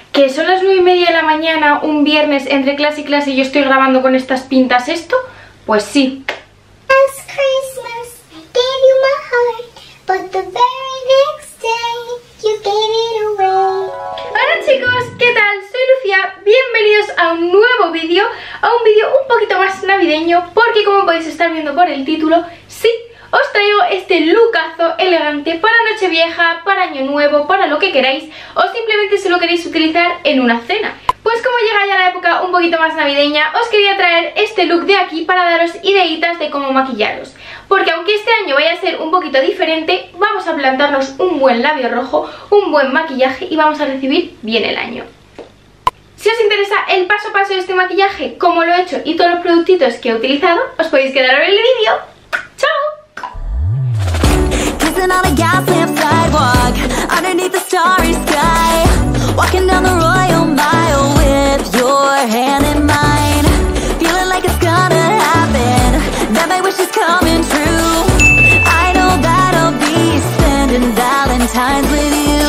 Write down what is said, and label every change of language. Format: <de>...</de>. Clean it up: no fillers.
<es>Que son las 9 y media de la mañana, un viernes entre clase y clase, y yo estoy grabando con estas pintas esto. Pues sí.</es> <en>It's Christmas. I gave you my heart, but the very next day you gave it away.</en> <es>Hola chicos, ¿qué tal? Soy Lucía. Bienvenidos a un nuevo vídeo, a un vídeo un poquito más navideño, porque como podéis estar viendo por el título, sí, os traigo este lookazo elegante para Nochevieja, para Año Nuevo, para lo que queráis, o simplemente si lo queréis utilizar en una cena. Pues como llega ya la época un poquito más navideña, os quería traer este look de aquí para daros ideitas de cómo maquillaros. Porque aunque este año vaya a ser un poquito diferente, vamos a plantarnos un buen labio rojo, un buen maquillaje y vamos a recibir bien el año. Si os interesa el paso a paso de este maquillaje, cómo lo he hecho y todos los productitos que he utilizado, os podéis quedar a ver el vídeo. ¡Chao!</es> <en>On a gaslit sidewalk, underneath the starry sky, walking down the royal mile with your hand in mine, feeling like it's gonna happen, that my wish is coming true. I know that I'll be spending Valentine's with you.</en>